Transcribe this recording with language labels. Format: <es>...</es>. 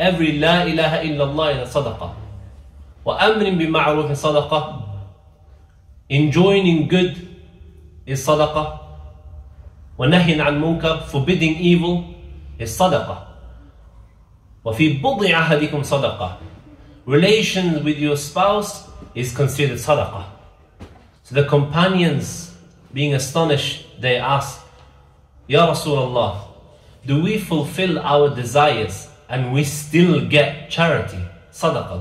<ar>Every لا إله إلا الله is a صدقة. وأمر بمعروف صدقة.</ar> <en>Enjoining good is صدقة.</en> <ar>ونهي عن منكر,</ar> <en>forbidding evil, is</en> <ar>صدقة. وفي بضع أحدكم صدقة.</ar> <en>Relations with your spouse is considered صدقة. So the companions, being astonished, they ask,</en> <ar>يا رسول الله,</ar> <en>do we fulfill our desires and we still get charity? Sadaqah.</en>